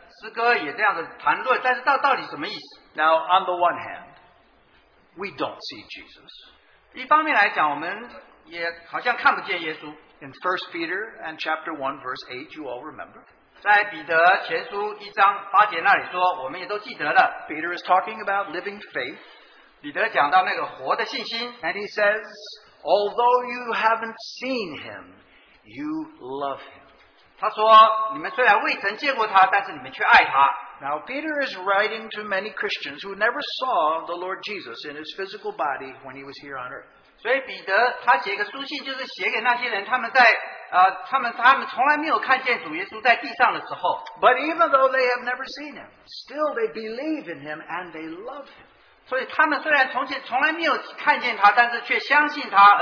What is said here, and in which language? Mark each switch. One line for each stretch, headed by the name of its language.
Chinese: 但我们常常也这样子唱这个诗歌,也这样子谈论,但是到底什么意思?
English: Now on the one hand, we don't see Jesus.
Chinese: 一方面来讲,我们也好像看不见耶稣。
English: In 1 Peter and chapter 1, verse 8, you all remember.
Chinese: 在彼得前书1章8节那里说,我们也都记得了。
English: Peter is talking about living faith.
Chinese: 彼得讲到那个活的信心。
English: And he says, although you haven't seen him, you love him.
Chinese: 他说,你们虽然未曾见过他,
English: now Peter is writing to many Christians who never saw the Lord Jesus in his physical body when he was here on earth.
Chinese: 所以彼得他写一个书信就是写给那些人,他们从来没有看见主耶稣在地上的时候,
English: but even though they have never seen him, still they believe in him and they love him.
Chinese: 所以他们虽然从前从来没有看见他,但是却相信他,